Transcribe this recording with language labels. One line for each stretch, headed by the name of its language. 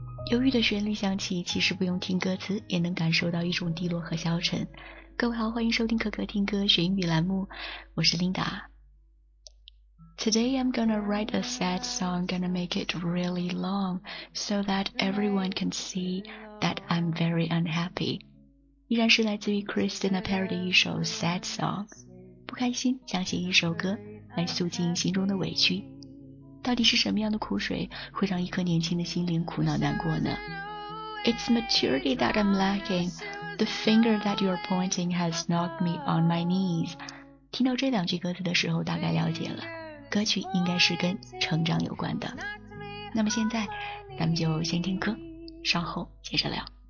Chinese: 忧郁的旋律响起，其实不用听歌词也能感受到一种低落和消沉。各位好，欢迎收听可可听歌学英语栏目，我是 Linda。
English: Today I'm gonna write a sad song, gonna make it really long so that everyone can see that I'm very unhappy。
Chinese: 依然是来自于 Christina Perry 的一首 sad song。不开心想写一首歌来诉尽心中的委屈，到底是什么样的苦水会让一颗年轻的心灵苦恼难过呢？
English: It's maturity that I'm lacking. The finger that you're pointing has knocked me on my knees.
Chinese: 听到这两句歌词的时候大概了解了，歌曲应该是跟成长有关的。那么现在咱们就先听歌，稍后接着聊。